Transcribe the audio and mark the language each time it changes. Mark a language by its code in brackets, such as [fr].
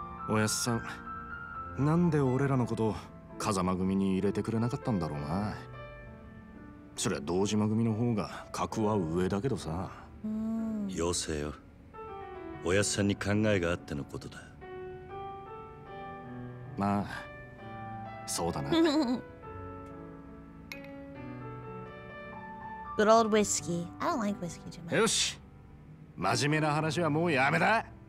[ja] おやすさん、なんで俺らのことを風間組に入れてくれなかったんだろうな。そりゃ堂島組の方が格は上だけどさ。よせよ。おやすさんに考えがあってのことだ。まあ、そうだな。 [en] Good old whiskey. I don't like whiskey too much. [ja] よし。真面目な話はもうやめだ。